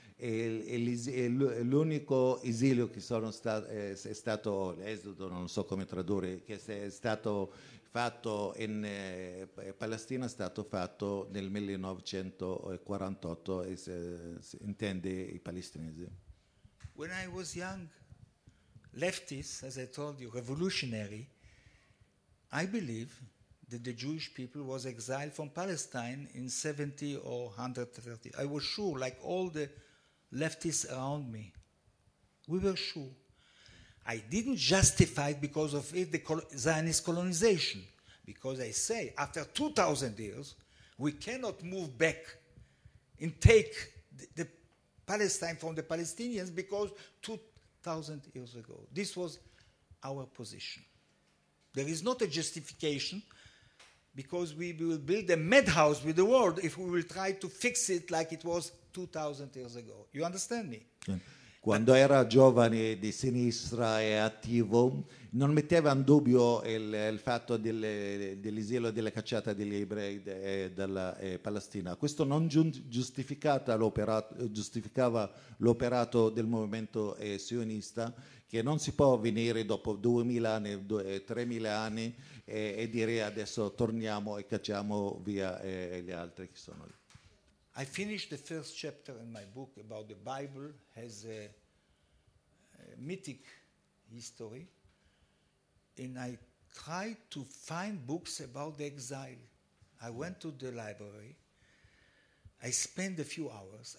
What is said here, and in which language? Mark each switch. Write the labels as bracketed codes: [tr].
[it] E l'unico esilio che sono stato, è stato l'esodo, non so come tradurre, che è stato fatto in Palestina è stato fatto nel 1948, intende i palestinesi. [en] When I was young, leftist, as I told you, revolutionary, I believe that the Jewish people was exiled from Palestine in 70 or 130. I was sure, like all the leftists around me. We were sure. I didn't justify because of it the Zionist colonization. Because I say, after 2,000 years, we cannot move back and take the Palestine from the Palestinians because 2,000 years ago. This was our position. There is not a justification because we will build a madhouse with the world if we will try to fix it like it was 2,000 years ago. You understand me? [it] Quando era giovane di sinistra e attivo, non metteva in dubbio il fatto dell'esilio e della cacciata degli ebrei dalla Palestina. Questo non giustificava l'operato del movimento sionista, che non si può venire dopo 2000 anni, 3000 anni e dire adesso torniamo e cacciamo via gli altri che sono lì. [en] I finished the first chapter in my book about the Bible has a mythic history, and I tried to find books about the exile. I went to the library. I spent a few hours.